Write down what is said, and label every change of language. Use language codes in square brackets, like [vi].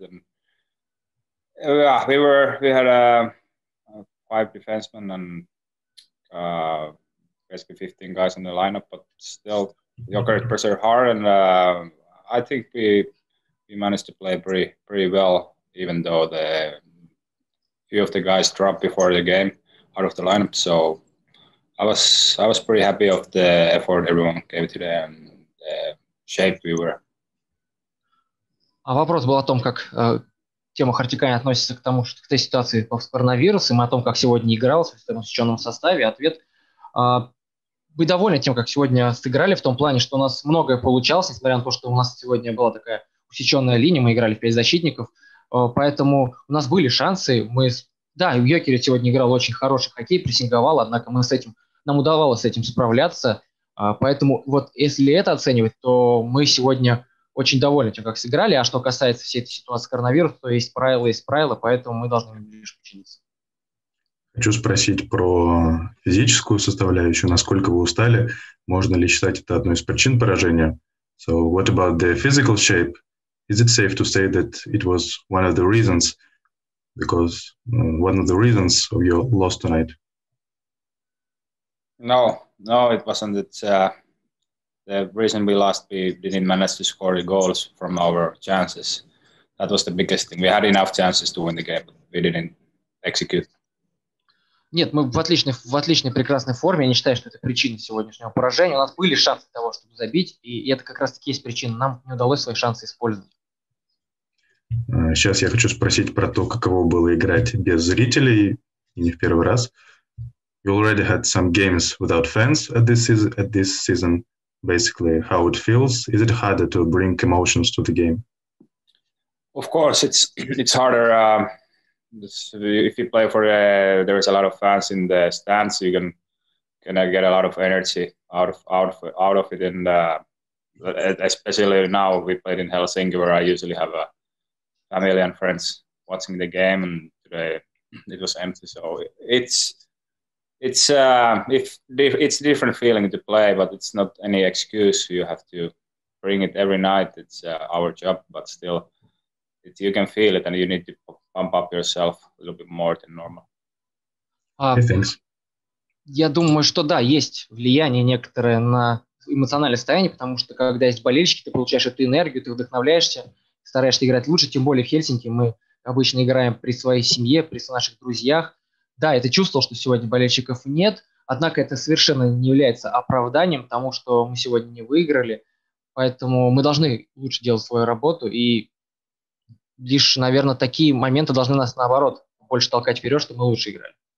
[en] And yeah, we had 5 defensemen and basically 15 guys in the lineup, but still Jokerit pressured hard, and I think we managed to play pretty well, even though the few of the guys dropped before the game out of the lineup. So I was pretty happy of the effort everyone gave today and the shape we were. [ru] А вопрос был о том, как тема Хартикани относится к тому, что к той ситуации с коронавирусом и о том, как сегодня игралось в этом сочиненном составе. Ответ. Вы довольны тем, как сегодня сыграли, в том плане, что у нас многое получалось, несмотря на то, что у нас сегодня была такая усеченная линия, мы играли в 5 защитников, поэтому у нас были шансы. Да, Йокерит сегодня играл очень хороший хоккей, прессинговал, однако нам удавалось с этим справляться, поэтому вот если это оценивать, то мы сегодня... очень довольны тем, как сыграли. А что касается всей этой ситуации с коронавирусом, то есть правила, поэтому мы должны лишь починиться. Хочу спросить про физическую составляющую. Насколько вы устали? Можно ли считать это одной из причин поражения? [en] So, what about the physical shape? Is it safe to say that it was one of the reasons? Because one of the reasons of your loss tonight? No, it wasn't. It's the reason we lost, we didn't manage to score the goals from our chances. That was the biggest thing. We had enough chances to win the game, but we didn't execute. [ru] Нет, мы в отличной прекрасной форме. Я не считаю, что это причина сегодняшнего поражения. У нас были шансы того, чтобы забить, и это как раз-таки есть причина. Нам не удалось свои шансы использовать. Сейчас я хочу спросить про то, каково было играть без зрителей, и не в первый раз. [en] You already had some games without fans at this season, basically. How it feels? Is it harder to bring emotions to the game? Of course, it's harder. If you play there is a lot of fans in the stands, you can get a lot of energy out of it. And especially now we played in Helsinki, where I usually have a family and friends watching the game, and today it was empty. So it's different feeling to play, but it's not any excuse. You have to bring it every night. It's our job, but still, you can feel it, and you need to pump up yourself a little bit more than normal. [ru] Я думаю, что да, есть влияние некоторое на эмоциональное состояние, потому что когда есть болельщики, ты получаешь эту энергию, ты вдохновляешься, стараешься играть лучше, тем более в Хельсинки мы обычно играем при своей семье, при наших друзьях. Да, я чувствовал, что сегодня болельщиков нет, однако это совершенно не является оправданием тому, что мы сегодня не выиграли, поэтому мы должны лучше делать свою работу, и лишь, наверное, такие моменты должны нас, наоборот, больше толкать вперед, чтобы мы лучше играли.